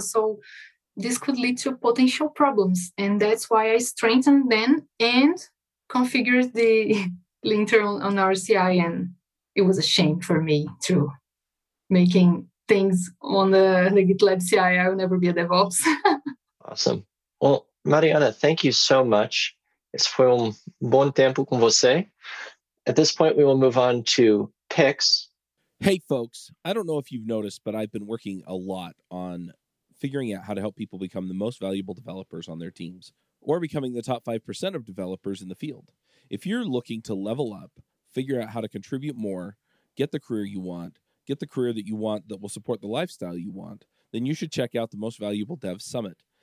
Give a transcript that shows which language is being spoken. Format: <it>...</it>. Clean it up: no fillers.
<en>So this could lead to potential problems. And that's why I strengthened them and configured the linter on RCI, and it was a shame for me to making things on the GitLab CI. I will never be a DevOps. Awesome. Well, Mariana, thank you so much.</en> <pt>It's foi bom tempo com você.</pt> <en>At this point, we will move on to picks. Hey, folks. I don't know if you've noticed, but I've been working a lot on figuring out how to help people become the most valuable developers on their teams, or becoming the top 5% of developers in the field. If you're looking to level up, figure out how to contribute more, get the career that you want that will support the lifestyle you want, then you should check out the Most Valuable Dev Summit.</en>